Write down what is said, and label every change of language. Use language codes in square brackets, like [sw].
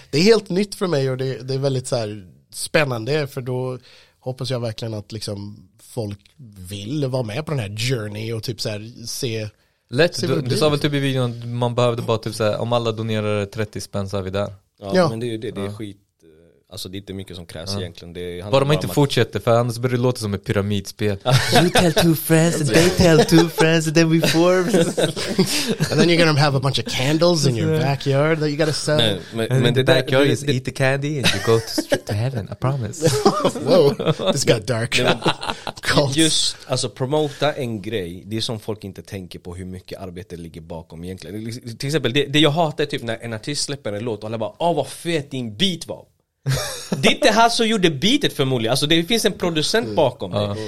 [sv] Det är helt nytt för mig, och det är väldigt så här spännande, för då hoppas jag verkligen att liksom folk vill vara med på den här journey och typ så här se. Lätt, du sa väl typ i videon att man behövde bara typ såhär, om alla donerar 30 spänn så är vi där. Ja, men det är skit. Alltså det är inte mycket som krävs egentligen. Det bara om man inte fortsätter, för annars börjar det låta som ett pyramidspel. [en] You tell two friends and they tell two friends and then we four. And then you're gonna have a bunch of candles in your backyard that you gotta sell. [sv] Nej, men [en] in the backyard is eat the candy and you go to heaven, I promise. Wow, this got dark. [sv] Just, alltså promota en grej, det är som folk inte tänker på hur mycket arbete ligger bakom egentligen. Till exempel, det jag hatar är typ när en artist släpper en låt och alla bara, åh vad fet din beat var. Det är inte han som gjorde beatet förmodligen. Alltså det finns en producent bakom det.